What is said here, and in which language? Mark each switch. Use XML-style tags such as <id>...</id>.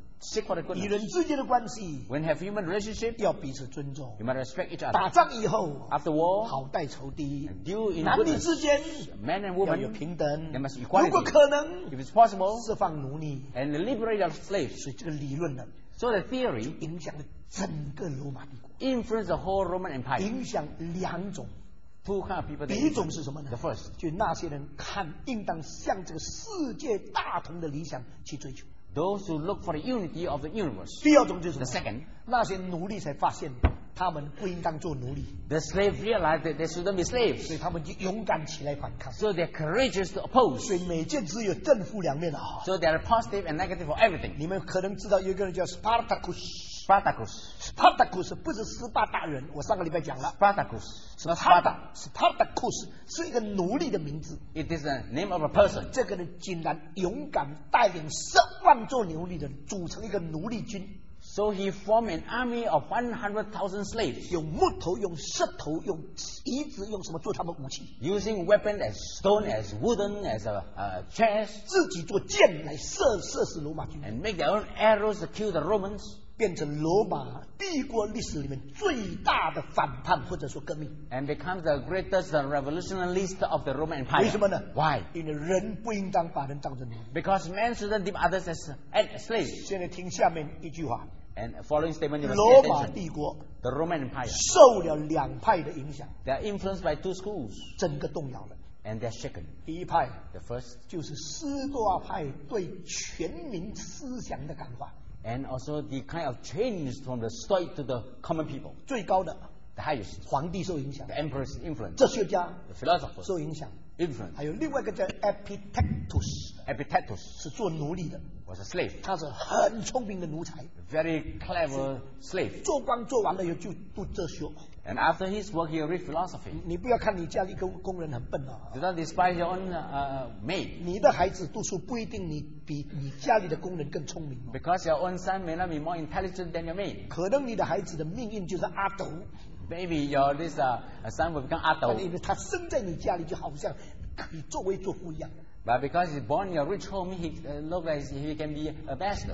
<en>，seek for the goodness.</en> <zh>与人之间的关系</zh> <en>，when have human relationship.</en> <zh>要彼此尊重</zh> <en>，you must respect each other.</en> <zh>打仗以后</zh> <en>，after war.</en> <zh>好待仇敌</zh> <en>，deal in goodness.</en> <zh>男女之间。</zh> <en>Man and woman,</en> <zh>要有平等</zh> <en>there must be equality,</en> <zh>如果可能</zh> <en>if it's possible,</en> <zh>释放奴隶</zh> <en>and liberate your slaves,</en> <zh>所以这个理论呢</zh> <en>so the theory</en> <zh>就影响了整个罗马帝国</zh> <en>influence the whole Roman Empire</en> <zh>影响两种</zh> <en>two kind of people</en> <zh>第一种是什么呢</zh> <en>the first</en> <zh>就那些人看应当向这个世界大同的理想去追求</zh> <en>those who look for the unity of the universe</en> <zh>第二种就是什么</zh> <en>the second</en> <zh>那些奴隶才发现他们不应当做奴隶。</zh> <en>The slave realized that they shouldn't be slaves.</en> <zh>所以他们就勇敢起来反抗。</zh> <en>So they're courageous to oppose.</en> <zh>所以每件事有正负两面的、啊、</zh> <en>So there are positive and negative for everything.</en> <zh>你们可能知道有一个人叫 Spartacus。 Spartacus。 Spartacus 不是斯巴达人，我上个礼拜讲了。 Spartacus。 Spartacus 是一个奴隶的名字。</zh> <en>It is a name of a person.</en> <zh>这个人竟然勇敢带领十万座奴隶的人组成一个奴隶军。</zh> <en>So he formed an army of 100,000 slaves.</en> <zh>用木头，用石头，用椅子，用什么做他们武器</zh> <en>？Using weapon as stone, as wooden, as a chairs.</en> <zh>自己做箭来射死罗马军。</zh> <en>And make their own arrows to kill the Romans.</en> <zh>变成罗马帝国历史里面最大的反叛或者说革命。</zh> <en>And become the greatest revolutionist of the Roman Empire.</en> <zh>为什么呢</zh> <en>？Why？</en> <zh>因为人不应当把人当成奴。</zh> <en>Because men shouldn't deem others as slaves.</en> <zh>现在听下面一句话。</zh> <en>And following statement,</en> <zh>罗马帝国</zh> <en>the Roman Empire,</en> <zh>受了两派的影响</zh> <en>they are influenced by two schools,</en> <zh>整个动摇了</zh> <en>and they are shaken.</en> <zh>第一派</zh> <en>the first,</en> <zh>就是斯多亚派对全民思想的感化</zh> <en>and also the kind of change from the Stoic to the common people.</en> <zh>最高的</zh> <en>the highest,</en> <zh>皇帝受影响</zh> <en>the emperor's influence,</en> <zh>哲学家</zh> <en>the philosopher</en> <zh>受影响</zh> <en>influence.</en> <zh>还有另外一个叫 Epictetus 是做奴隶的</zh> <en>was a slave.</en> <zh>他是很聪明的奴才</zh> <en>very clever slave.</en> <zh>做官做完了以后就读哲学</zh> <en>and after his work he read philosophy.</en> <zh>你不要看你家里一个工人很笨啊</zh> <en>do not despise your own maid.</en> <zh>你的孩子读书不一定你比你家里的工人更聪明、啊、</zh> <en>because your own son may not be more intelligent than your maid.</en> <zh>可能你的孩子的命运就是阿斗</zh> <en>maybe your this son will become 阿斗</en> <zh>因为他生在你家里就好像可以作威作福一样</zh> <en>But because he's born in a rich home, he looks as if he can be a bastard.</en>